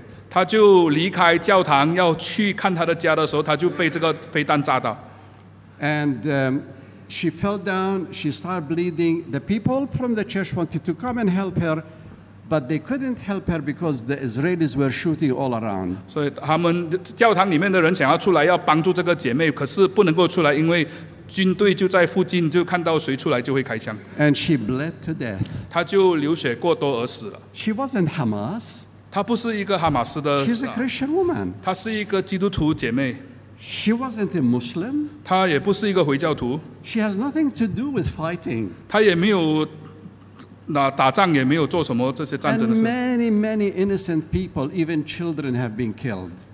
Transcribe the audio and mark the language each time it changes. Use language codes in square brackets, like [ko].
[zh] 她就离开教堂要去看她的家的时候，她就被这个飞弹炸到。 [en] And She fell down, she started bleeding. The people from the church wanted to come and help her, but they couldn't help her because the Israelis were shooting all around. [zh] 所以他们教堂里面的人想要出来要帮助这个姐妹，可是不能够出来， 因为军队就在附近，就看到谁出来就会开枪。 [en] And she bled to death. [zh] 她就流血过多而死了。 [en] She wasn't Hamas. [zh] 她不是一个哈马斯的。 [en] She's a Christian woman. [zh] 她是一个基督徒姐妹。 [en] She wasn't a Muslim. [zh] 她也不是一个回教徒。 [en] She has nothing to do with fighting. [zh] 她也没有。打仗也没有做什么这些战争的事。 [en] And many, many innocent people, even children, have been killed.